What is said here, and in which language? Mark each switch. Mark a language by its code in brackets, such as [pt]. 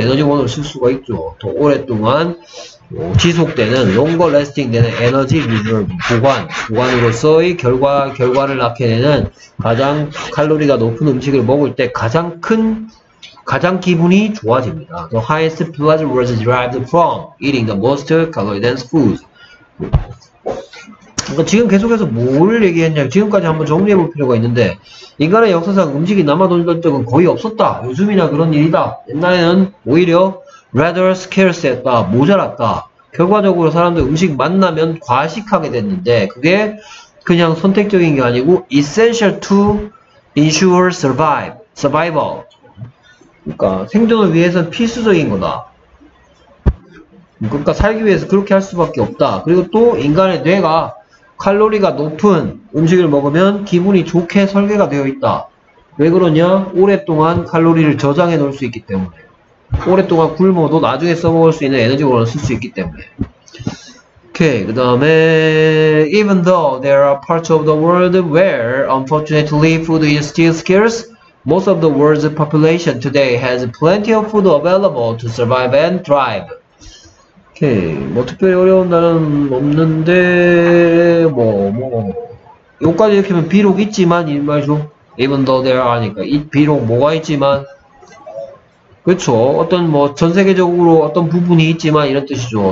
[ko] 에너지원으로 쓸 수가 있죠. 더 오랫동안 뭐 지속되는 [en] longer lasting [ko] 되는 에너지 리저브 보관으로서의 결과를 낳게 되는 가장 칼로리가 높은 음식을 먹을 때 가장 큰 가장 기분이 좋아집니다. [en] The highest pleasure was derived from eating the most calorie dense foods. [ko] 그러니까 지금 계속해서 뭘 얘기했냐, 지금까지 한번 정리해 볼 필요가 있는데, 인간의 역사상 음식이 남아돌던 적은 거의 없었다. 요즘이나 그런 일이다. 옛날에는 오히려 [en] rather scarce [ko] 했다. 모자랐다. 결과적으로 사람들 음식 만나면 과식하게 됐는데, 그게 그냥 선택적인 게 아니고, [en] essential to ensure survival. [ko] 그러니까 생존을 위해서는 필수적인 거다. 그러니까 살기 위해서 그렇게 할 수밖에 없다. 그리고 또 인간의 뇌가 칼로리가 높은 음식을 먹으면 기분이 좋게 설계가 되어 있다. 왜 그러냐? 오랫동안 칼로리를 저장해 놓을 수 있기 때문에. 오랫동안 굶어도 나중에 써먹을 수 있는 에너지원을 쓸 수 있기 때문에. 오케이. 그 다음에 [en] Even though there are parts of the world where unfortunately food is still scarce, most of the world's population today has plenty of food available to survive and thrive. [ko] 오케이. 뭐 특별히 어려운 단어는 없는데 뭐 여기까지 이렇게 하면 비록 있지만 이 말이죠. [en] Even though there are [ko] 하니까 비록 뭐가 있지만 그쵸. 어떤 뭐 전세계적으로 어떤 부분이 있지만 이런 뜻이죠.